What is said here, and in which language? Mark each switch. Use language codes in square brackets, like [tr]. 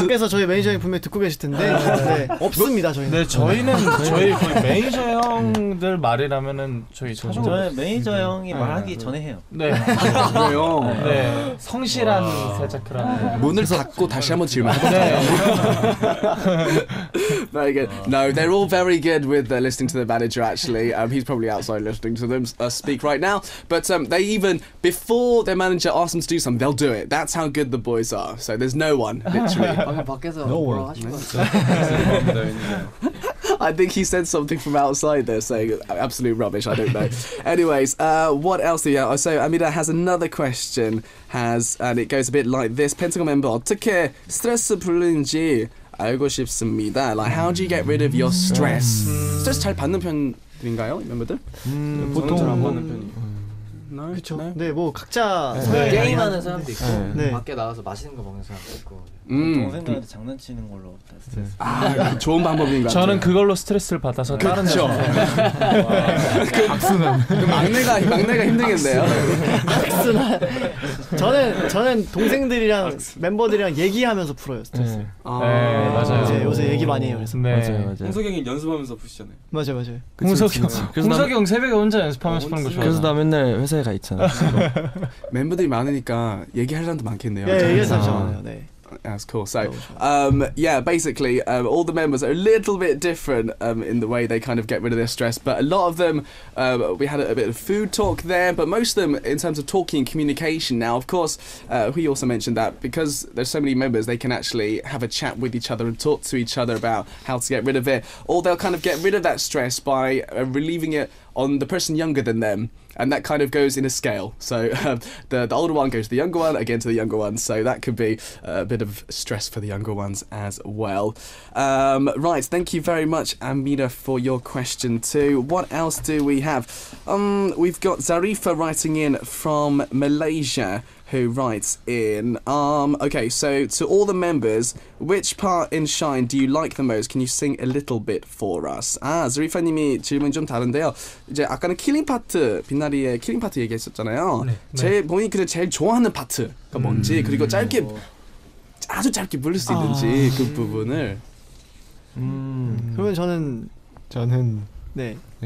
[ko] 밖에서 저희 매니저 형 분명히 듣고 계실 텐데 네, 없습니다 저희는. 네 저희는 저희 거의 매니저 형들 말이라면은 저희 저 저희 매니저 형이 말하기 전에 해요. 네. 왜요? 네. 성실한 살짝 그런. 문을 닫고 다시 한번 질문해요. 네. [en] Very good. No, they're all very good with listening to the manager. Actually, he's probably outside listening to them speak right now. But they even before their manager asks them to do something, they'll do it. That's how good the boys are. So there's no one literally. No one. I think he said something from outside there saying absolute rubbish. I don't know. Anyways, what else do you have? So Amira has another question. Has and it goes a bit like this. [ko] Pentagon member, 어떻게 스트레스 풀리는지 알고 싶습니다. [en] Like how do you get rid of your stress? [ko] 스트레스 잘 받는 편인가요, 멤버들? 보통 잘 안 받는 편이. 그렇죠. 네. 네, 뭐 각자 네. 게임하는 사람도 있고 네. 밖에 나가서 맛있는 거 먹는 사람도 있고 동생들한테 장난치는 걸로 다 스트레스. 네. 아, 좋은 방법인 것 같아요. 저는 그걸로 스트레스를 받아서 다른 데서 악순환. 막내가 힘들겠네요. 악순환. 저는 동생들이랑 멤버들이랑 얘기하면서 풀어요 스트레스. 네. 아, 네, 맞아요. 이제 요새 얘기 많이 해요. 그래서 네. 맞아요. 홍석이 형이 연습하면서 푸시잖아요. 맞아요. 홍석이 형 새벽에 혼자 연습하면서 푸는 거 좋아. 그래서 나 맨날 회사에 가 있잖아. 멤버들이 많으니까 얘기할 사람도 많겠네요. 예, 얘기할 사람 많아요. 네. [en] That's cool. So, yeah, basically, all the members are a little bit different in the way they kind of get rid of their stress. But a lot of them, we had a bit of food talk there. But most of them, in terms of talking and communication now, of course, Hui also mentioned that because there's so many members, they can actually have a chat with each other and talk to each other about how to get rid of it. Or they'll kind of get rid of that stress by relieving it on the person younger than them. And that kind of goes in a scale. So the older one goes to the younger one, again to the younger one. So that could be a bit of stress for the younger ones as well. Right, thank you very much, Amira, for your question too. What else do we have? We've got Zarifa writing in from Malaysia, who writes in, okay, so to all the members, which part in Shine do you like the most? Can you sing a little bit for us? [ko] 아, 자리파님이 질문 좀 다른데요. 이제 아까는 킬링 파트, 빛나리의 킬링 파트 얘기했었잖아요. 네. 본인이 근데 제일 좋아하는 파트가 뭔지, 그리고 짧게, 아주 짧게 부를 수 있는지 그 부분을. 그러면 저는 네, 네.